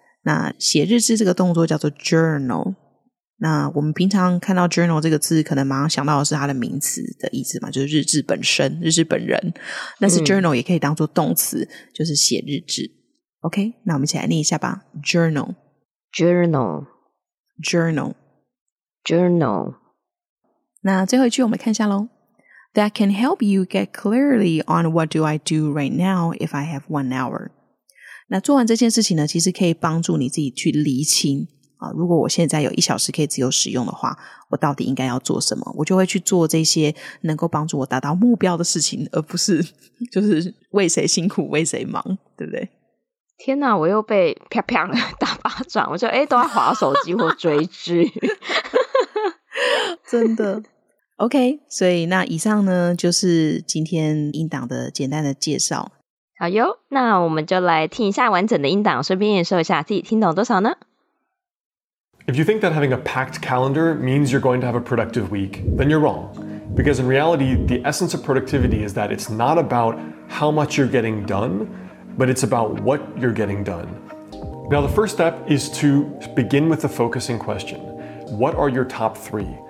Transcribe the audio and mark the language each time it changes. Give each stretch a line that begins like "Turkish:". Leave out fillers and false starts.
Chinese: 那写日志这个动作叫做 journal。那我们平常看到 journal 这个字，可能马上想到的是它的名词的意思嘛，就是日志本身，日志本人。但是 journal 也可以当作动词，就是写日志。OK, 那我们一起来念一下吧。
English: journal, journal, journal, journal。
Chinese: 那最后一句我们看一下咯。
English: That can help you get clearly on what do I do right now if I have 1 hour.
Chinese: 那做完这件事情呢，其实可以帮助你自己去厘清，如果我现在有一小时可以自由使用的话，我到底应该要做什么，我就会去做这些能够帮助我达到目标的事情，而不是就是为谁辛苦为谁忙，对不对？天哪，我又被啪啪打巴掌，我就诶都在滑手机或追剧。真的。 OK, 所以那以上呢就是今天音档的简单的介绍。好哟，那我们就来听一下完整的音档，顺便验收一下自己听懂多少呢。
English: If you think that having a packed calendar means you're going to have a productive week, then you're wrong. Because in reality, the essence of productivity is that it's not about how much you're getting done, but it's about what you're getting done. Now, the first step is to begin with the focusing question. What are your top 3?